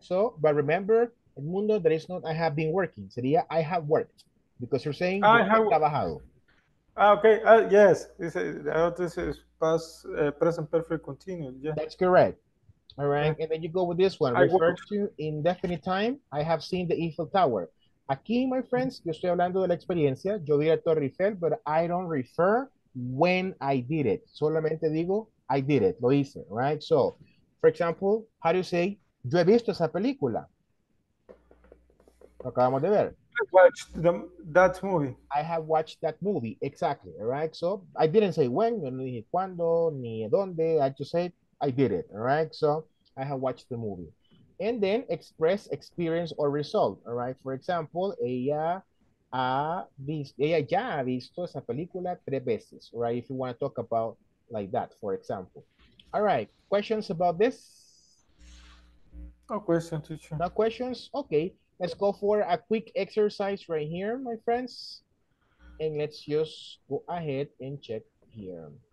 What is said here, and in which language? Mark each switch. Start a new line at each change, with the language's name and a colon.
English: So, but remember, Edmundo, there is not, I have been working.
Spanish: Sería,
English: I have worked. Because you're saying, I have
Spanish: trabajado.
English: Okay. Yes. This is past, present perfect continuous. Yeah. That's correct. All right, and then you go with this one. Refer to indefinite time. I have seen the Eiffel Tower.
Spanish: Aquí,
English: my friends,
Spanish: yo estoy hablando de la experiencia. Yo vi la Torre Eiffel,
English: but I don't refer when I did it.
Spanish: Solamente digo,
English: I did it.
Spanish: Lo hice,
English: right? So, for example, how do you say,
Spanish: yo he visto esa película? Lo acabamos de ver.
English: I watched that movie. I have watched that movie, exactly. All right, so I didn't say when,
Spanish: yo no dije cuándo, ni dónde.
English: I just said, I did it, all right? So I have watched the movie. And then express experience or result, all right? For example,
Spanish: ella ya ha visto esa película tres veces,
English: right? If you want to talk about like that, for example. All right, questions about this? No questions, teacher. No questions? Okay, let's go for a quick exercise right here, my friends. And let's just go ahead and check here.